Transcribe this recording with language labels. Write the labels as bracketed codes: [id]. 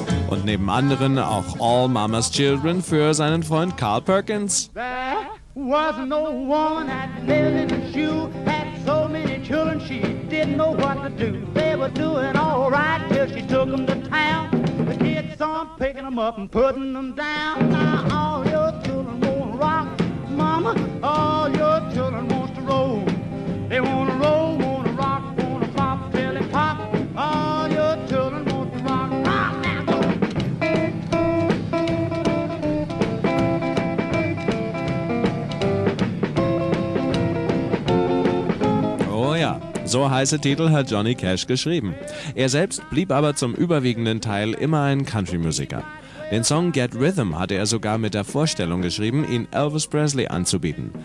[de] Und neben anderen auch All Mama's Children für seinen Freund Carl Perkins. [en] There was no woman that lived in a shoe, had so many children she didn't know what to do. They were doing all right till she took them to town. I'm picking them up and putting them down. Now all your children wanna rock, mama. All your children wants to roll. They wanna roll, wanna rock, wanna pop, belly pop. All your children want to rock, rock now. Oh yeah. [de] So heiße Titel hat Johnny Cash geschrieben. Er selbst blieb aber zum überwiegenden Teil immer ein Country-Musiker. Den Song Get Rhythm hatte er sogar mit der Vorstellung geschrieben, ihn Elvis Presley anzubieten.